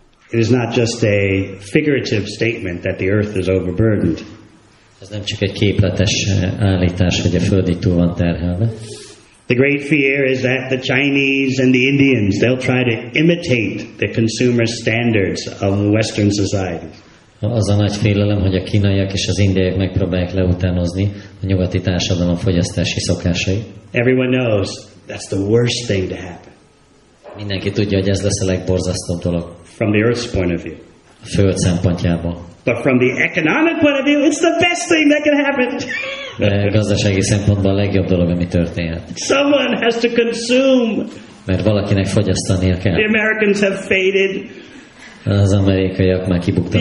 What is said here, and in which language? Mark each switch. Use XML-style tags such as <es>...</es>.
<en>It is not just a figurative statement that the earth is overburdened.</en> <hu>Ez nem csak egy képletes állítás, hogy a Föld itt túl van terhelve.</hu> <en>The great fear is that the Chinese and the Indians, they'll try to imitate the consumer standards of the Western society.</en> <hu>Az a nagy félelem, hogy a kínaiak és az indiaiak megpróbálják leutánozni a nyugati társadalom fogyasztási szokásait.</hu> <en>Everyone knows that's the worst thing to happen.</en> <hu>Mindenki tudja, hogy ez lesz a legborzasztóbb dolog.</hu> <en>From the earth's point of view.</en> <hu>A Föld szempontjából.</hu> <en>But from the economic point of view, it's the best thing that can happen.</en> <hu>De gazdasági szempontból a legjobb dolog, ami történhet.</hu> <en>Someone has to consume.</en> <hu>Mert valakinek fogyasztania kell.</hu> <en>The Americans have faded.</en> <hu>Az amerikaiak már kibuktak.</hu>